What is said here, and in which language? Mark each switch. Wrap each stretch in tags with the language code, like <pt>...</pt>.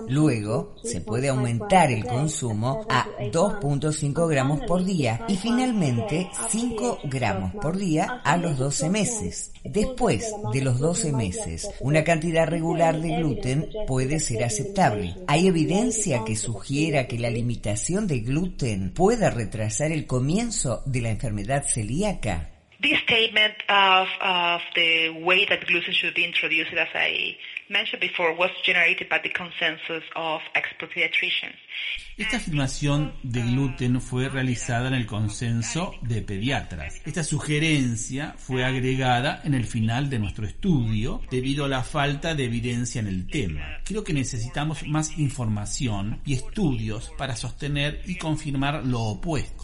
<es>Luego, se puede aumentar el consumo a 2.5 gramos por día y finalmente 5 gramos por día a los 12 meses. Después de los 12 meses, una cantidad regular de gluten puede ser aceptable. Hay evidencia que sugiera que la limitación de gluten pueda retrasar el comienzo de la enfermedad celíaca.</es> <en>This statement of the way that gluten should be introduced, as I mentioned before, was generated by the consensus of expert pediatricians.</en> <es>Esta afirmación de gluten fue realizada en el consenso de pediatras. Esta sugerencia fue agregada en el final de nuestro estudio debido a la falta de evidencia en el tema. Creo que necesitamos más información y estudios para sostener y confirmar lo opuesto.</es>